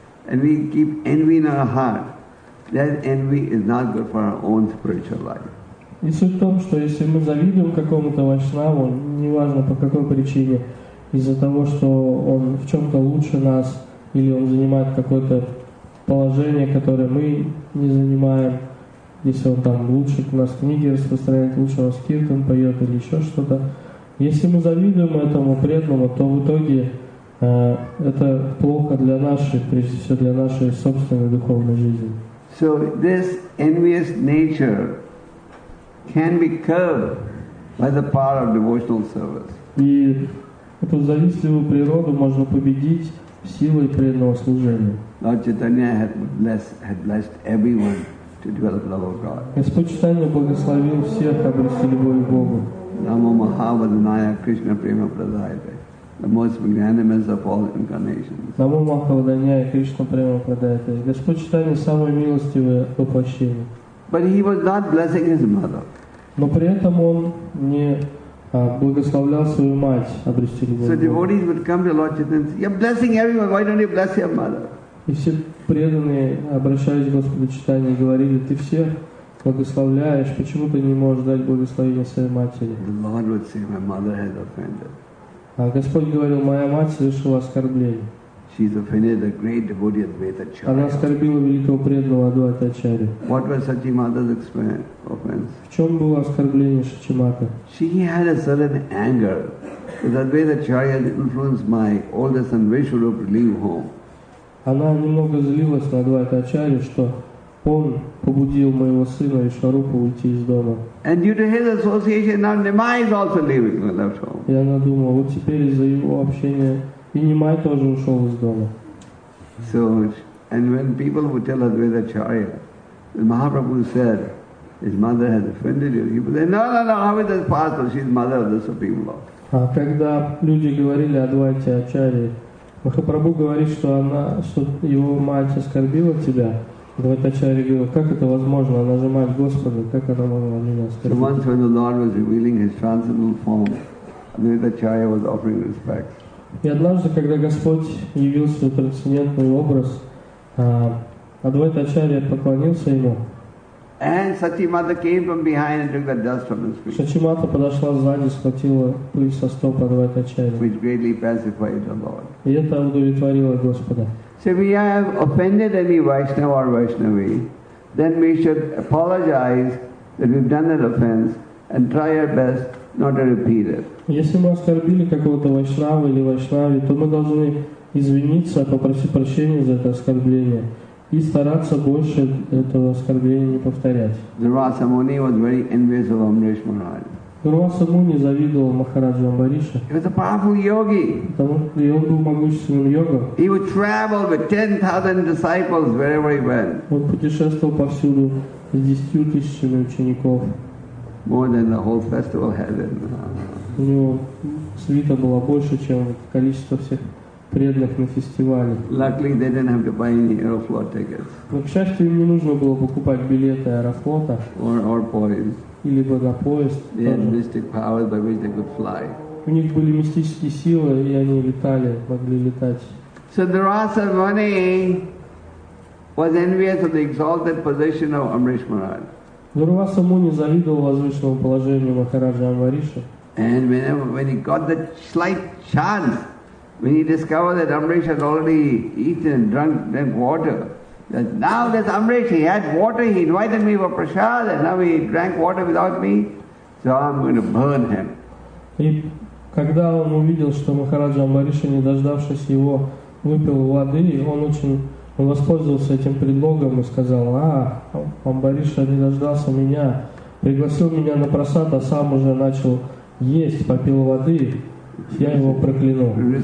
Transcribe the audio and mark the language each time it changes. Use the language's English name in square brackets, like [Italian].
[English] And we keep envy in our heart. That envy is not good for our own spiritual life. [Russian] И суть в том, что если мы завидуем какому-то вайшнаву, неважно по какой причине, из-за того, что он в чем-то лучше нас, или он занимает какое-то положение, которое мы не занимаем, если он там лучше у нас книги распространяет, лучше у нас киртан поет или еще что-то. Если мы завидуем этому преданному, то в итоге это плохо для нашей, прежде всего для нашей собственной духовной жизни. [English] So this envious nature can be curbed by the power of devotional service. [Russian] И эту завистливую природу можно победить силой преданного служения. [English] Lord Chaitanya had blessed everyone to develop love of God. [Russian] Господь Читания благословил всех обрести любовь к Богу. [Sanskrit] Namo Mahavadanaya Krishna Prema Pradayate, [English] the most magnanimous of all incarnations. [Sanskrit] Namo Mahavadanaya Krishna Prema Pradayate, [Russian] Господь Читания самое милостивое воплощение. [English] But he was not blessing his mother. [Russian] Но при этом он не благословлял свою мать обрести любовь к Богу. [English] So devotees would come to Lord Chaitanya and say, you're blessing everyone, why don't you bless your mother? [Russian] И все преданные, обращаясь к Господу Читания, говорили, ты всех благословляешь, почему ты не можешь дать благословение своей матери? [English] The Lord would say, my mother has offended. [Russian] А Господь говорил, моя мать совершила оскорбление. [English] She's offended a great devotee Advaita Acharya. [Russian] Она оскорбила великого преданного Адвайта Ачарью. [English] What was Shachi Mata's offense? [Russian] В чем было оскорбление Шачи Маты? [English] She had a sudden anger that Advaita Acharya influenced my oldest son Vishwarupa to leave home. [Russian] Она немного злилась на Адвайта Ачарью, что он побудил моего сына Вишварупу уйти из дома. [English] And due to his association, now Nimai is also leaving and left home. [Russian] И она думала, вот теперь из-за его общения и Нимай тоже ушел из дома. [English] So, and when people would tell Advaita Acharya, Mahaprabhu said, his mother has offended you, he would say, no, how is that possible? She's mother of the Supreme Lord. [Russian] А когда люди говорили Адвайте Ачарье, Махапрабху говорит, что она, что его мать оскорбила тебя. Адвайта Ачарья говорит, как это возможно? Она же мать Господа, как она могла меня оскорбить? [English] So once when the Lord was revealing his transcendental form, Advaita Acharya was offering respect. [Russian] И однажды, когда Господь явил свой трансцендентный образ, Адвайта Ачарья поклонился ему. [English] And Sachi Mata came from behind and took the dust from his feet. [Russian] Sachi Mata подошла сзади, схватила пыль со стоп Адвайта Ачарьи. [English] Which greatly pacified the Lord. [Russian] И это удовлетворило Господа. [English] So if we have offended any Vaishnava or Vaishnavi, then we should apologize that we've done that offense and try our best not to repeat it. [Russian] Если мы оскорбили какого-то Вайшнава или Вайшнави, то мы должны извиниться, попросить прощения за это оскорбление. И стараться больше этого оскорбления не повторять. [English] Дурваса Муни was very envious of Amrish Maharaj. [Russian] Дурваса Муни завидовал Махараджу Амбариша. [English] He was a powerful yogi. [Russian] И он был могущественным йогом. [English] He would travel with 10,000 disciples wherever he went. [Russian] Он путешествовал повсюду с 10,000 учеников. [English] More than the whole festival heaven. [Russian] У него свита была больше, чем количество всех преданных на фестивале. [English] Luckily, they didn't have to buy any Aeroflot tickets. [Russian] Но, к счастью, им не нужно было покупать билеты Аэрофлота [English] or poem. [Russian] Или на поезд. [English] They had mystic powers by which they could fly. [Russian] У них были мистические силы, и они летали, могли летать. [English] So Dharasa Muni was envious of the exalted position of Amrish Maharaj. [Russian] Дурваса Муни завидовал возвышенному положению Махараджа Амбариша. [English] And when he got the slight chance, when he discovered that Amrish had already eaten and drank water, that now this Amrish, he had water, he invited me for prasad, and now he drank water without me, so I'm going to burn him. [Russian] И когда он увидел, что Махараджа Амбариша, не дождавшись его, выпил воды, он очень воспользовался этим предлогом и сказал, Амбариша не дождался меня, пригласил меня на прасад, а сам уже начал есть, попил воды. Я его прокляну.